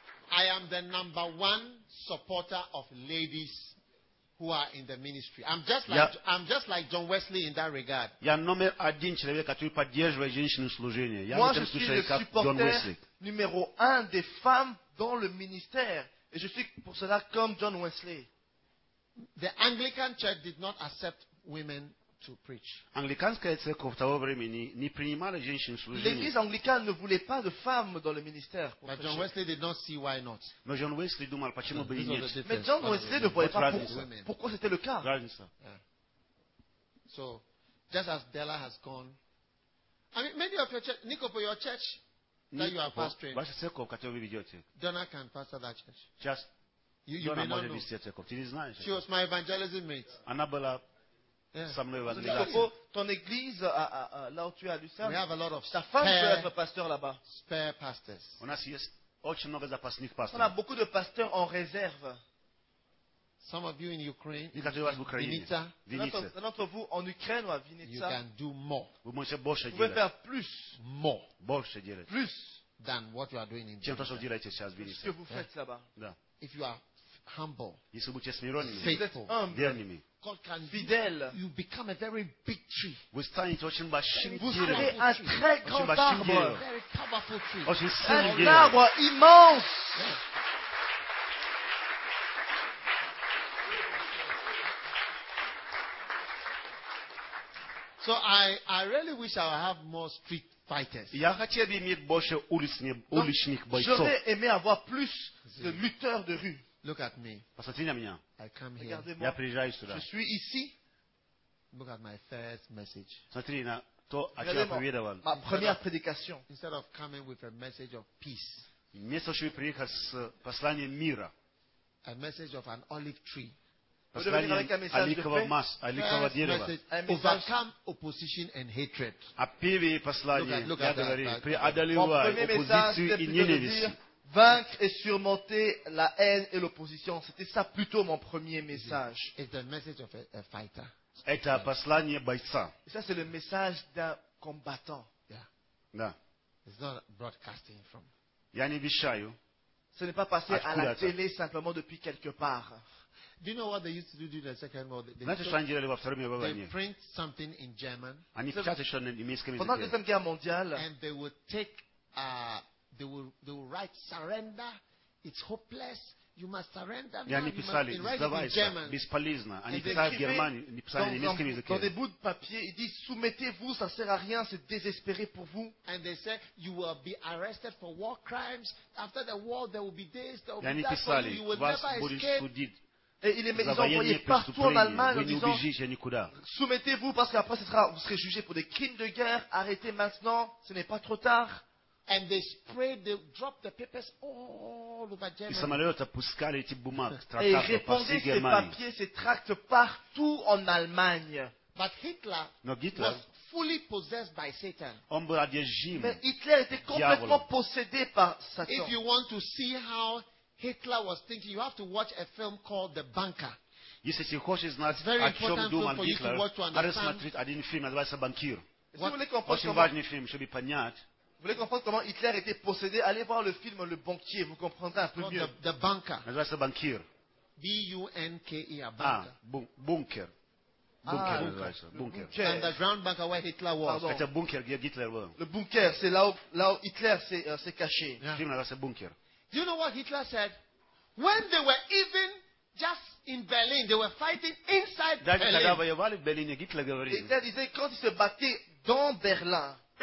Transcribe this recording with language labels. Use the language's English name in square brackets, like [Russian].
[English] I am the number one supporter of ladies. Who are in the ministry? I'm just like John Wesley in that regard. [Russian] Я номер один человек, который поддерживает женщин в служении. Я в этом случае как Джон Уэсли. [French] Numéro un des femmes dans le ministère, et je suis pour cela comme John Wesley. [English] The Anglican Church did not accept women to preach. [Russian] Англиканская церковь того времени не принимала женщин в служении. [French] L'église anglicane ne voulait pas de femmes dans le ministère. [English] But John Wesley did not see why not. [French] Mais [Russian] John Wesley думал, почему бы и нет. [French] Mais John Wesley ne voyait pas pourquoi c'était le cas. Yeah. [English] So, just as Della has gone, I mean, many of your church, Nico, for your church that you are pastoring, [Russian] ваша церковь, которую вы ведете, [English] Donna can pastor that church. Just, you Donna may not know. [Russian] Вести церковь. Ты не знаешь. [English] She was my evangelism mate. [Russian] Она была. [French] Nico, ton église là où tu es à Lucerne, [English] we have a lot of [French] ta femme peut être pasteur là-bas. [English] Spare pastors. [French] On a [Russian] очень много запасных пасторов. [French] On a beaucoup de pasteurs en réserve. [English] Some of you in Ukraine, Vinica. [French] Un autre vous en Ukraine ou à Vinica. [English] You can do more. [French] Vous pouvez [Russian] больше делать. [French] Vous pouvez faire plus. [English] More. [Russian] Больше делать. [French] Plus [English] than what you are doing in. [Russian] Чем то, что делаете сейчас в Вильнюсе. [French] Ce que vous faites là-bas. Да. [English] If you are humble. [Russian] Если вы будете смиренными. [English] Faithful. [Russian] Верными. [English] God can [French] fidèle. [English] You become a very big tree. [French] Vous serez un très grand arbre. [English] A very powerful tree. [French] Un arbre immense. [English] So I really wish I would have more street fighters. [Russian] Я хотел бы иметь больше уличных бойцов. [French] J'aurais aimé avoir plus de lutteurs de rue. [English] Look at me. [Russian] Посмотрите на меня. [English] I come here. [Russian] Я приезжаю сюда. [French] Je suis ici. [English] Look at my first message. [Russian] Смотри на то, о чем я проповедовал. [French] Ma première prédication. [English] Instead of coming with a message of peace. [Russian] Вместо того, чтобы приехать с посланием мира. [English] A message of an olive tree. [Russian] Послание оливкового масла, оливкового дерева. [English] Overcome opposition and hatred. [Russian] А первое послание, я говорил, преодолевай оппозицию и ненависть. [French] Vaincre et surmonter la haine et l'opposition, c'était ça plutôt mon premier message. [English] It's the message of a fighter. [Russian] Это послание бойца. [French] Ça c'est le message d'un combattant. Yeah. Да. [English] It's not broadcasting from. [Russian] Я не вещаю. [French] Ce n'est pas passé à la télé simplement depuis quelque part. [English] Do you know what they used to do during the Second World War? [Russian] Знаете, что они делали во Второй мировой войне? [English] They print something in German. [Russian] Они печатали что-то на немецком языке. [French] Pendant la Deuxième Guerre mondiale. [English] And they would take. They will write surrender. It's hopeless. You must surrender [Russian] и они писали, сдавайся, бесполезно. Они писали в Германии, не писали на немецком языке. [French] Dans des bouts de papier, ils disent, soumettez-vous, ça sert à rien, c'est désespéré pour vous. [English] And they say, you will be arrested for war crimes. After the war, there will be days, there will [Russian] и [English] be that [Russian] писали, [English] for you, you will never escape. [French] Et ils les envoyaient partout en Allemagne en disant, soumettez-vous parce qu'après ce sera, vous serez jugé pour des crimes de guerre. Arrêtez maintenant, ce n'est pas trop tard. [English] And they sprayed, they dropped the papers all over Germany. [French] Les samaritains appuyaient les types bumac, tracts partout en Allemagne. Et répandaient ces papiers, ces tracts partout en Allemagne. [English] But Hitler, no, Hitler was fully possessed by Satan. [French] Mais Hitler était complètement [Italian] diavolo. [French] Possédé par Satan. [English] If you want to see how Hitler was thinking, you have to watch a film called The Banker. [Russian] Если ты хочешь знать, о чем думал Гитлер, надо смотреть один фильм, называется «Банкир». Очень важный фильм, чтобы понять. [French] Vous voulez comprendre comment Hitler était possédé? Allez voir le film «Le Banquier», vous comprendrez un peu mieux. [English] The Banker. [Russian] Называется «Банкир». [English] B-U-N-K-E-R, Bunker. Bunker. Underground bunker where Hitler was. [Russian] Это бункер, где Гитлер был. [French] Le Bunker, c'est là où Hitler s'est caché. [Russian] Фильм называется «Бункер». [English] Do you know what Hitler said? When they were even just in Berlin, they were fighting inside Berlin. [French] Hitler disait, quand ils se battaient dans Berlin,